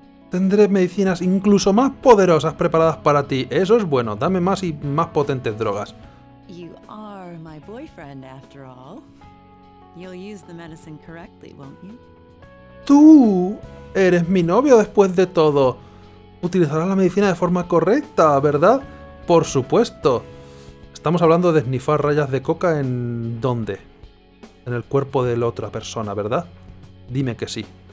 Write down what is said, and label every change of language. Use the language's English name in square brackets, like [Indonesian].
[Spanish] Tendré medicinas incluso más poderosas preparadas para ti. Eso es bueno. Dame más y más potentes drogas. [English] You are my boyfriend, after all. You'll use the medicine correctly, won't you? [Spanish] Tú eres mi novio después de todo. Utilizarás la medicina de forma correcta, ¿verdad? Por supuesto. Estamos hablando de esnifar rayas de coca en... ¿dónde? En el cuerpo de la otra persona, ¿verdad? Dime que sí.